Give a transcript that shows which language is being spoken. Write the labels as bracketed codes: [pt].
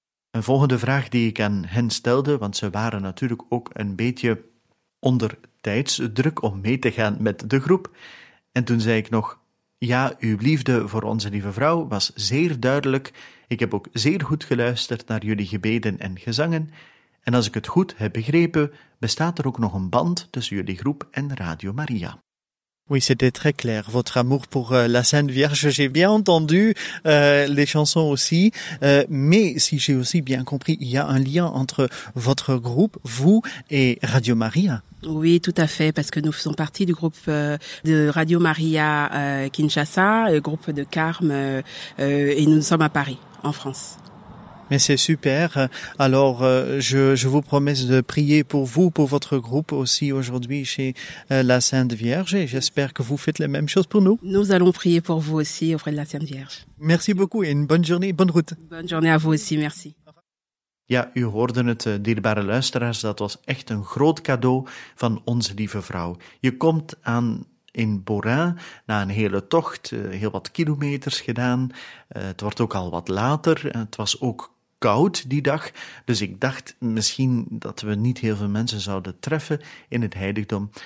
[nl] Een volgende vraag die ik aan hen stelde, want ze waren natuurlijk ook een beetje onder tijdsdruk om mee te gaan met de groep, en toen zei ik nog, ja, uw liefde voor onze lieve vrouw was zeer duidelijk, ik heb ook zeer goed geluisterd naar jullie gebeden en gezangen, en als ik het goed heb begrepen, bestaat er ook nog een band tussen jullie groep en Radio Maria. [fr] Oui, c'était très clair. Votre amour pour la Sainte Vierge, j'ai bien entendu les chansons aussi. Mais si j'ai aussi bien compris, il y a un lien entre votre groupe, vous et Radio Maria. Oui, tout à fait, parce que nous faisons partie du groupe de Radio Maria Kinshasa, le groupe de Carme, et nous sommes à Paris, en France. Mais c'est super. Alors, je vous promets de prier pour vous, pour votre groupe aussi aujourd'hui chez la Sainte Vierge. Et j'espère que vous faites la même chose pour nous. Nous allons prier pour vous aussi auprès de la Sainte Vierge. Merci beaucoup et une bonne journée, bonne route. Bonne journée à vous aussi, merci. [nl] Ja, u hoorde het, dierbare luisteraars. Dat was echt een groot cadeau van onze lieve vrouw. Je komt aan in Borin, na een hele tocht, heel wat kilometers gedaan. Het wordt ook al wat later, het was ook koud die dag. Dus ik dacht misschien dat we niet heel veel mensen zouden treffen in het heiligdom.